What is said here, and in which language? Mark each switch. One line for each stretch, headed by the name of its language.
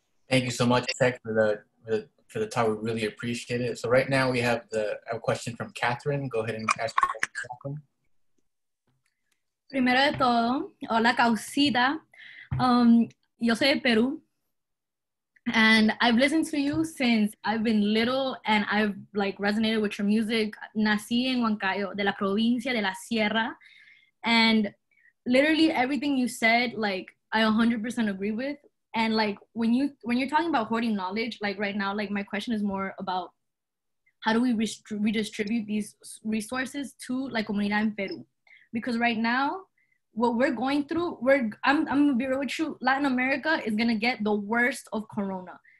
English: Thank you so much, Tech, for the talk. We really appreciate it. So right now we have a question from Catherine. Go ahead and ask your question, Catherine.
Spanish: Primero de todo, hola causita. Yo soy de Peru,
English: and I've listened to you since I've been little, and I've like resonated with your music.
Spanish: Nací en Huancayo, de la provincia de la Sierra.
English: And literally everything you said, like, I 100% agree with. And like, when you're talking about hoarding knowledge, like right now, like my question is more about how do we redistribute these resources to like
Spanish: comunidad en Peru?
English: Because right now, what we're going through, I'm gonna be real with you, Latin America is gonna get the worst of Corona.